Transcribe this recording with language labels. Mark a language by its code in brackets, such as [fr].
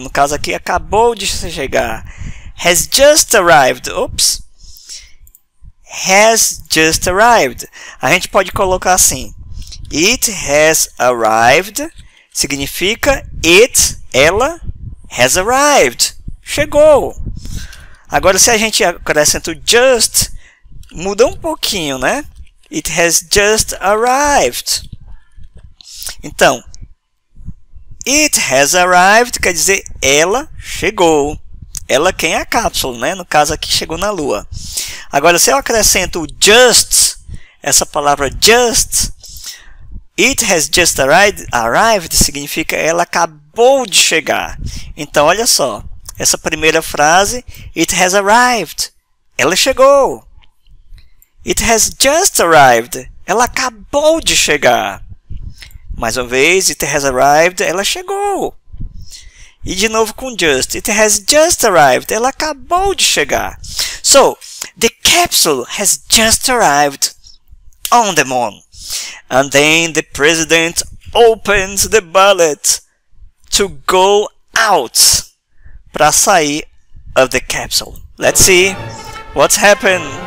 [pt] No caso aqui, acabou de chegar. [en] Has just arrived. [pt] Ops. [en] Has just arrived. [pt] A gente pode colocar assim. [en] It has arrived. Significa it, ela, has arrived. [pt] Chegou. Agora, se a gente acrescenta o just, muda um pouquinho, né? [en] It has just arrived. Então, it has arrived [pt] quer dizer ela chegou. Ela quem é a cápsula, né? No caso aqui, chegou na lua. Agora, se eu acrescento o just, essa palavra just, [en] it has just arrived, [pt] significa ela acabou de chegar. Então, olha só, essa primeira frase, [en] it has arrived, [pt] ela chegou. [en] It has just arrived, [pt] ela acabou de chegar. Mais uma vez, [en] it has arrived, [pt] ela chegou. E de novo com just. [en] It has just arrived. [pt] Ela acabou de chegar. [en] So, the capsule has just arrived on the moon. And then the president opens the bullet to go out. [pt] Para sair [en] of the capsule. Let's see what's happened.